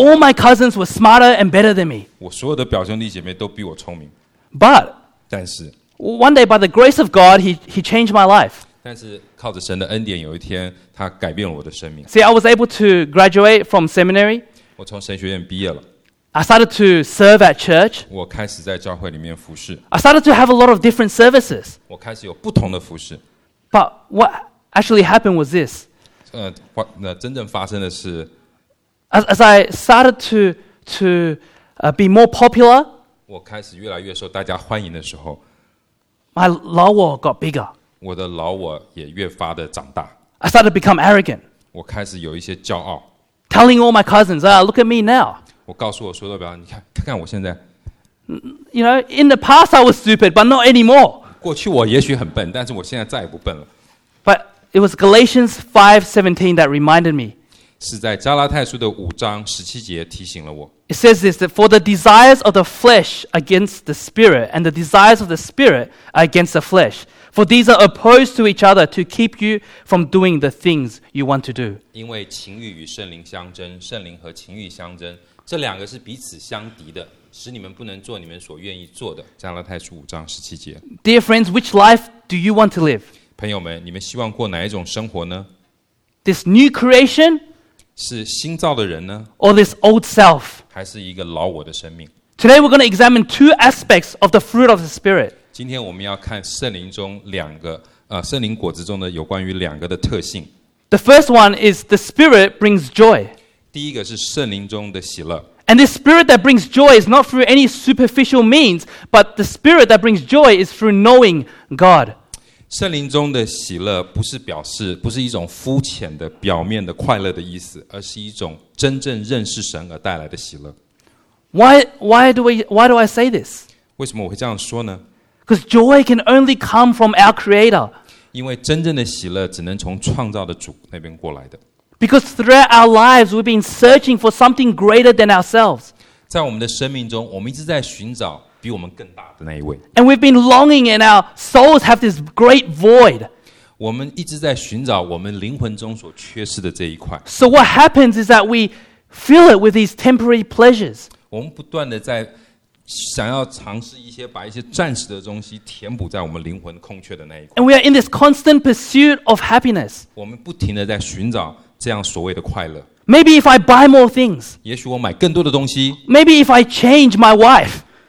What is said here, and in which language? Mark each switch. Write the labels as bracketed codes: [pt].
[en] All my cousins were smarter and better than me. [zh] 我所有的表兄弟姐妹都比我聪明。 [en] But [zh] 但是 [en] one day by the grace of God, he changed my life. [zh] 但是靠着神的恩典，有一天他改变了我的生命。 [en] See, I was able to graduate from seminary. [zh] 我从神学院毕业了。 [en] I started to serve at church. [zh] 我开始在教会里面服事。 [en] I started to have a lot of different services. [zh] 我开始有不同的服事。 [en] But what actually happened was this. [zh] 真正发生的是 [en] As I started to be more popular. [zh] 我开始越来越受大家欢迎的时候 [en] My 老我 got bigger. [zh] 我的老我也越发的长大。 [en] I started to become arrogant. [zh] 我开始有一些骄傲。 [en] Telling all my cousins, look at me now. [zh] 我告诉我所有的表兄弟，你看我现在。 [en] You know, in the past I was stupid, but not anymore. [zh] 过去我也许很笨，但是我现在再也不笨了。 [en] But it was Galatians 5:17 that reminded me. [zh] 是在加拉太书的5:17提醒了我。 [en] It says this, that for the desires of the flesh against the spirit, and the desires of the spirit against the flesh. For these are opposed to each other to keep you from doing the things you want to do. [zh] 因为情欲与圣灵相争，圣灵和情欲相争。这两个是彼此相敌的，使你们不能做你们所愿意做的。加拉太书5:17。 [en] Dear friends, which life do you want to live? [zh] 朋友们，你们希望过哪一种生活呢 [en] ？This new creation [zh] 是新造的人呢 [en] ？Or this old self [zh] 还是一个老我的生命 [en] ？Today we're going to examine two aspects of the fruit of the Spirit. [zh] 今天我们要看圣灵中两个圣灵果子中的有关于两个的特性。 [en] The first one is the Spirit brings joy. [zh] 第一个是圣灵中的喜乐。 [en] And this spirit that brings joy is not through any superficial means, but the spirit that brings joy is through knowing God. [zh] 圣灵中的喜乐不是一种肤浅的表面的快乐的意思，而是一种真正认识神而带来的喜乐。 [en] Why do I say this? [zh] 为什么我会这样说呢 [en] ？Because joy can only come from our Creator. [zh] 因为真正的喜乐只能从创造的主那边过来的。 [en] Because throughout our lives, we've been searching for something greater than ourselves. [zh] 在我们的生命中，我们一直在寻找比我们更大的那一位。 [en] And we've been longing, and our souls have this great void. [zh] 我们一直在寻找我们灵魂中所缺失的这一块。 [en] So what happens is that we fill it with these temporary pleasures. [zh] 我们不断的在想要尝试一些把一些暂时的东西填补在我们灵魂空缺的那一块。 [en] And we are in this constant pursuit of happiness. [zh] 我们不停的在寻找。这样所谓的快乐。 [en] Maybe if I buy more things. [zh] 也许我买更多的东西。 [en] Maybe if I change my wife.